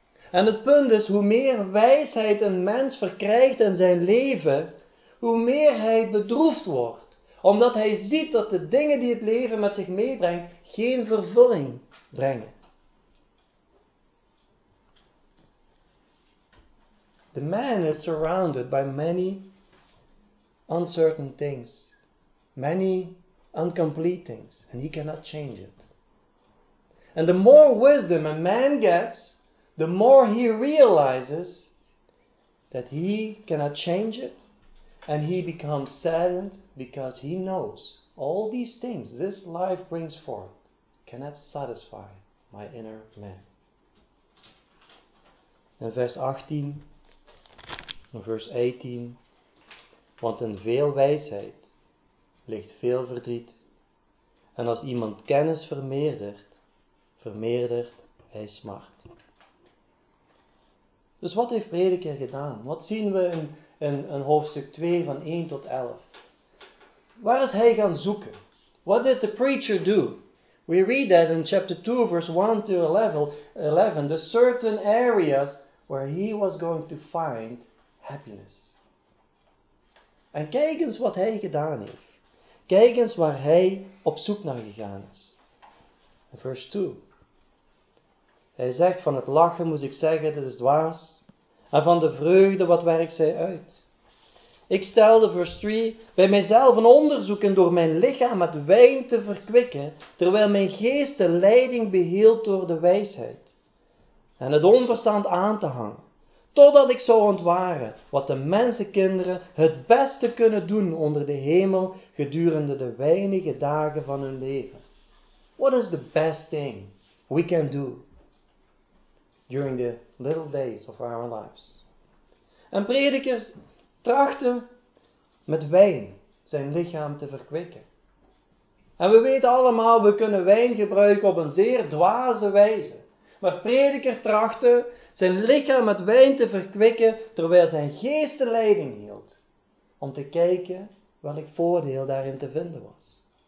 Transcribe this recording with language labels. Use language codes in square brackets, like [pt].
[nl] En het punt is, hoe meer wijsheid een mens verkrijgt in zijn leven, hoe meer hij bedroefd wordt. Omdat hij ziet dat de dingen die het leven met zich meebrengt, geen vervulling brengen. [en] The man is surrounded by many uncertain things. Many incomplete things. And he cannot change it. And the more wisdom a man gets, the more he realizes that he cannot change it. And he becomes saddened because he knows all these things this life brings forth cannot satisfy my inner man. [nl] In vers 18, in vers 18, want in veel wijsheid ligt veel verdriet. En als iemand kennis vermeerdert, vermeerdert hij smart. Dus wat heeft Prediker gedaan? Wat zien we in hoofdstuk 2 van 1 tot 11. Waar is hij gaan zoeken? [en] What did the preacher do? We read that in chapter 2, verse 1 to 11, the certain areas where he was going to find happiness. [nl] En kijk eens wat hij gedaan heeft. Kijk eens waar hij op zoek naar gegaan is. [en] Verse 2. [nl] Hij zegt, van het lachen moet ik zeggen, dat is dwaas. En van de vreugde, wat werkt zij uit? Ik stelde, vers 3, bij mijzelf een onderzoek en door mijn lichaam met wijn te verkwikken, terwijl mijn geest de leiding behield door de wijsheid en het onverstand aan te hangen, totdat ik zou ontwaren wat de mensenkinderen het beste kunnen doen onder de hemel gedurende de weinige dagen van hun leven. [en] What is the best thing we can do during the little days of our lives? [nl] En predikers trachten met wijn zijn lichaam te verkwikken. En we weten allemaal, we kunnen wijn gebruiken op een zeer dwaze wijze. Maar prediker trachten zijn lichaam met wijn te verkwikken, terwijl zijn geest de leiding hield, om te kijken welk voordeel daarin te vinden was.